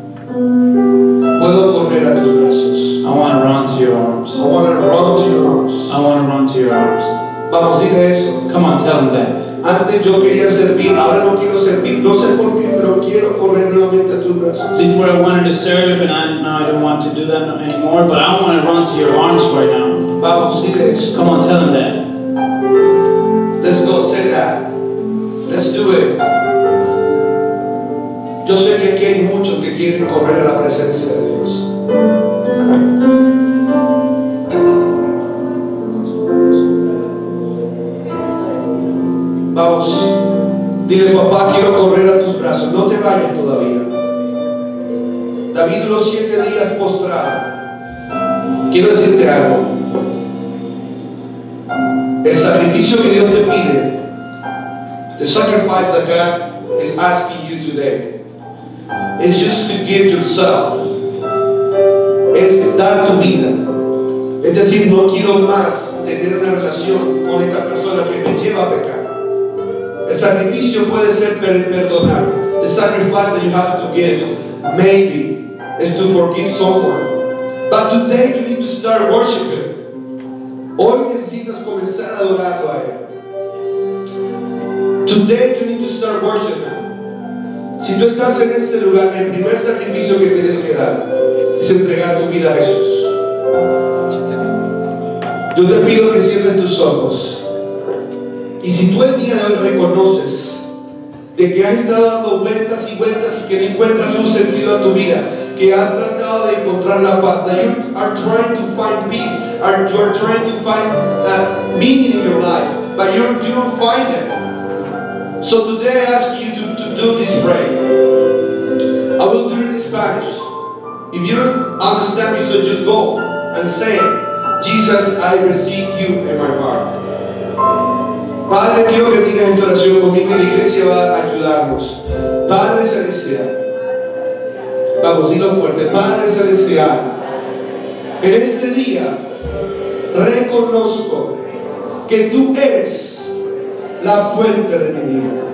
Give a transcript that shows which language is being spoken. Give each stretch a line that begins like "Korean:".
Spanish: Puedo correr a tus brazos.
English: I want to run to your arms. I want to run to your arms. I want to run to your arms.
Spanish: Vamos, diga eso.
English: Come on, tell him that.
Spanish: Antes yo quería servir, ahora no quiero servir. No sé por qué, pero quiero correr nuevamente a tus brazos.
English: Before I wanted to serve, and now I don't want to do that anymore. But I want to run to your arms right now.
Spanish: Vamos, diga eso.
English: Come on, tell him that. Let's go, say that. Let's do it.
Spanish: Yo sé que aquí hay muchos que quieren correr a la presencia de Dios. Vamos, dile papá, quiero correr a tus brazos. No te vayas todavía. David los 7 días postrado. Quiero decirte algo. El sacrificio que Dios te pide.
English: The sacrifice that God is asking you today. It's just to give yourself.
Spanish: Es dar tu vida. Es decir, no quiero más tener una relación con esta persona que me lleva a pecar. El sacrificio puede ser perdonar.
English: The sacrifice that you have to give, maybe, is to forgive someone. But today you need to start worshiping.
Spanish: Hoy necesitas comenzar a adorarlo a Él.
English: Today you need to start worshiping.
Spanish: Si tú estás en este lugar, el primer sacrificio que tienes que dar es entregar tu vida a Jesús. Yo te pido que cierres tus ojos. Y si tú el día de hoy reconoces de que has estado dando vueltas y vueltas y que no encuentras un sentido a tu vida, que has tratado de encontrar la paz,
English: that you are trying to find peace, or you are trying to find meaning in your life, but you don't find it. So today I ask you to do this prayer. I will do it in Spanish. If you don't understand me, so just go and say, Jesus, I receive you in my heart.
Spanish: Padre, quiero que tengas esta oración conmigo y la iglesia va a ayudarnos. Padre Celestial, vamos, dilo fuerte. Padre Celestial, en este día reconozco que tú eres la fuente de mi vida.